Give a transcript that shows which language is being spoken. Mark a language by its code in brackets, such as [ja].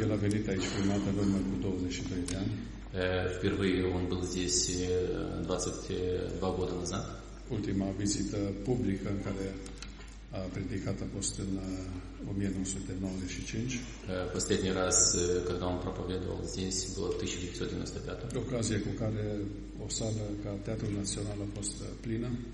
[ro] El a venit aici prima dată în urmă cu 22 de ani. [ru] Впервые он был здесь 22 года назад. [ro] Ultima vizită publică în care a predicat a fost în 1995. [ru] Последний раз, когда он проповедовал здесь, было в 1995. [ro] Ocazia cu care o sală ca Teatrul Național a fost plină.